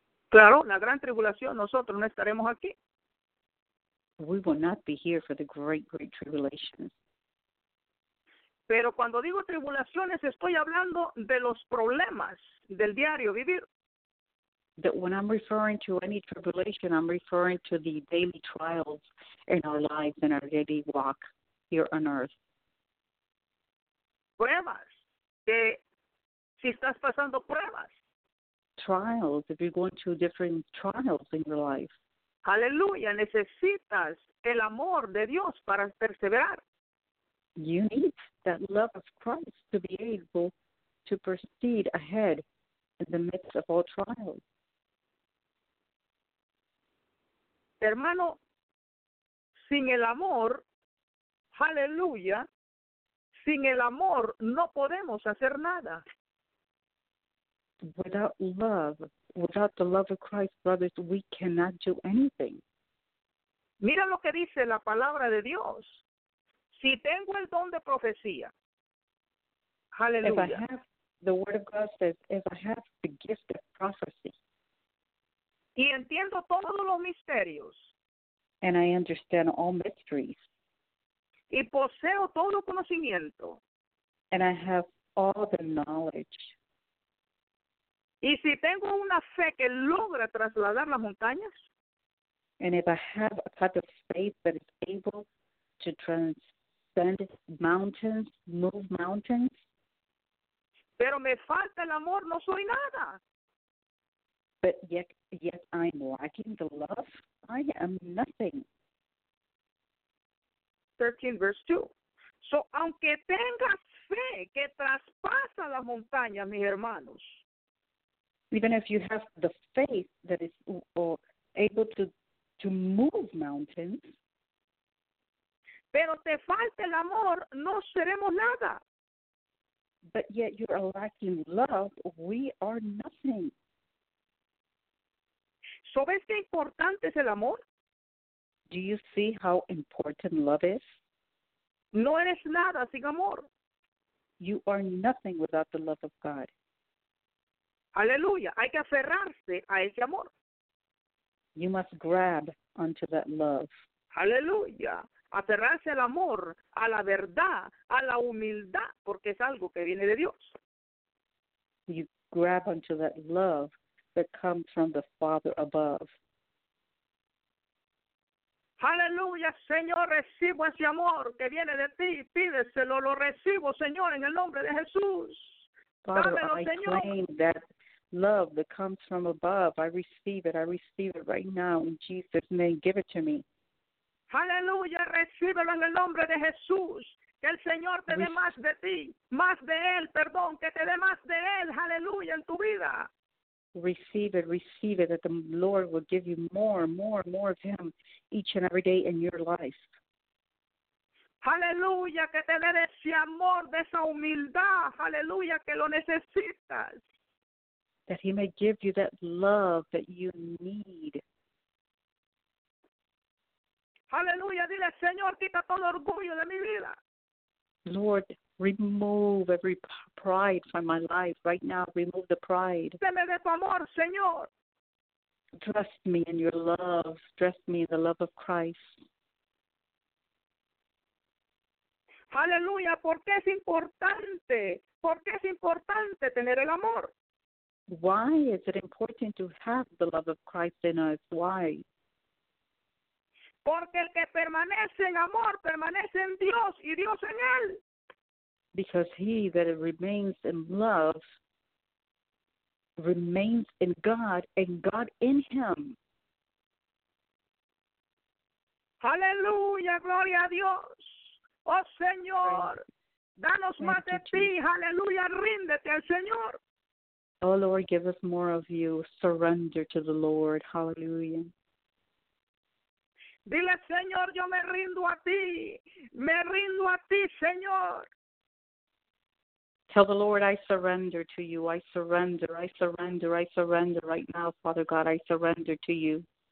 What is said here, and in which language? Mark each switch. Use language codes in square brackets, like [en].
[es] Claro, la gran tribulación, nosotros no estaremos aquí. [en] We will not be here for the great, great tribulations. [es] Pero cuando digo tribulaciones, estoy hablando de los problemas del diario vivir. [en] That when I'm referring to any tribulation, I'm referring to the daily trials in our lives and our daily walk here on earth. [es] Pruebas. Que si estás pasando pruebas. [en] Trials, if you're going through different trials in your life. [es] Aleluya, necesitas el amor de Dios para perseverar. [en] You need that love of Christ to be able to proceed ahead in the midst of all trials. [es] Hermano, sin el amor, aleluya, sin el amor no podemos hacer nada. [en] Without love, without the love of Christ, brothers, we cannot do anything. [es] Mira lo que dice la palabra de Dios. Si tengo el don de profecía, aleluya. [en] If I have, the word of God says, if I have the gift of prophecy, [es] y entiendo todos los misterios, [en] and I understand all mysteries, [es] y poseo todo conocimiento, [en] and I have all the knowledge, [es] y si tengo una fe que logra trasladar las montañas, [en] and if I have a type of faith that is able to transcend mountains, move mountains, [es] pero me falta el amor, no soy nada. [en] But yet I'm lacking the love. I am nothing. 13, verse 2. [es] So, aunque tengas fe que traspasa las montañas, mis hermanos. [en] Even if you have the faith that is able to move mountains. [es] Pero te falta el amor, no seremos nada. [en] But yet you are lacking love, we are nothing. [es] ¿Sabes qué importante es el amor? [en] Do you see how important love is? [es] No eres nada sin amor. [en] You are nothing without the love of God. [es] Aleluya. Hay que aferrarse a ese amor. [en] You must grab onto that love. [es] Aleluya. Aferrarse al amor, a la verdad, a la humildad, porque es algo que viene de Dios. [en] You grab onto that love that comes from the Father above. [es] Hallelujah, Señor, recibo ese amor que viene de ti. Pídeselo, lo recibo, Señor, en el nombre de Jesús. [en] Father, [es] dámelo, [en] I [es] Señor. [en] Claim that love that comes from above. I receive it. I receive it right now in Jesus' name. Give it to me. [es] Hallelujah, recíbelo en el nombre de Jesús. Que el Señor te dé más de ti, más de Él, perdón, que te dé más de Él, aleluya, en tu vida. [en] Receive it, that the Lord will give you more, more, more of Him each and every day in your life. [es] Aleluya, que te dé ese amor, de esa humildad, aleluya, que lo necesitas. [en] That He may give you that love that you need. [es] Aleluya, dile, Señor, quita todo orgullo de mi vida. [en] Lord, remove every pride from my life right now. Remove the pride. [es] Deme de tu amor, Señor. [en] Dress me in your love. Dress me in the love of Christ. [es] Aleluya, porque es importante. Porque es importante tener el amor. [en] Why is it important to have the love of Christ in us? Why? [es] Porque el que permanece en amor, permanece en Dios y Dios en él. [en] Because he that remains in love remains in God and God in him. [es] Aleluya, gloria a Dios. Oh, Señor, danos más de ti. Aleluya, ríndete al Señor. [en] Oh, Lord, give us more of you. Surrender to the Lord. Hallelujah. [es] Dile, Señor, yo me rindo a ti. Me rindo a ti, Señor. [en] Tell the Lord, I surrender to you. I surrender, I surrender, I surrender right now, Father God. I surrender to you.